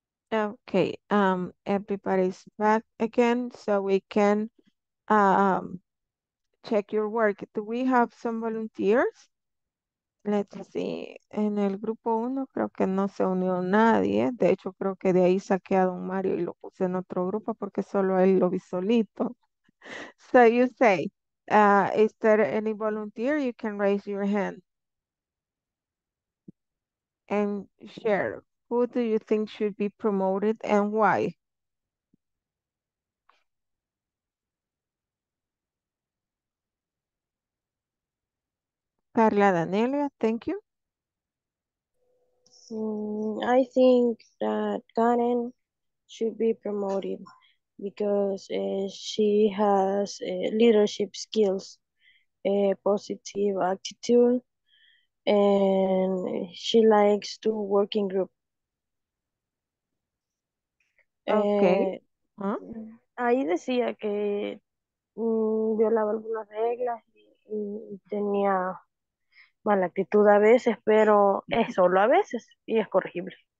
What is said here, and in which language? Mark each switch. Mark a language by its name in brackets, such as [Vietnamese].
[English] Okay, everybody's back again, so we can check your work. Do we have some volunteers? Let's see. [Spanish] En el grupo 1 creo que no se unió nadie. De hecho, creo que de ahí saqué a don Mario y lo puse en otro grupo porque solo él lo vi solito. [English] So you say, is there any volunteer? You can raise your hand and share. Who do you think should be promoted and why? Carla Danelia, thank you. I think that Karen should be promoted because she has leadership skills, a positive attitude, and she likes to work in group. Okay. [Spanish] Ahí decía que violaba algunas reglas y tenía mala actitud a veces, pero es solo a veces y es corregible.